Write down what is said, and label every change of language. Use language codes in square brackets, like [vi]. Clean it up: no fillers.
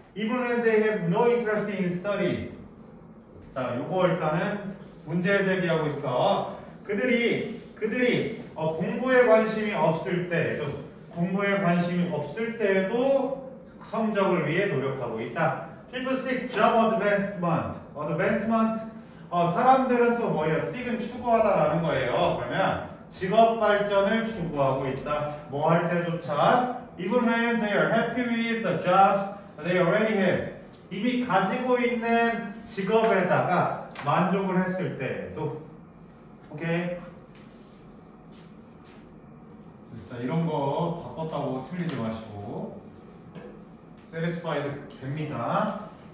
[en] Even when they have no interest in studies. [ko] 자, 요거 일단은 문제를 제기하고 있어. 그들이 공부에 관심이 없을 때에도 공부에 관심이 없을 때에도 성적을 위해 노력하고 있다. [en] People seek job advancement. Advancement. [ko] 사람들은 또 뭐예요? Seek은 추구하다라는 거예요. 그러면 직업 발전을 추구하고 있다. 뭐 할 때조차. [en] Even when they are happy with the jobs they already have. [ko] 이미 가지고 있는 직업에다가 만족을 했을 때에도. 오케이. 자, 이런 거 바꿨다고 틀리지 마시고 Satisfied 됩니다.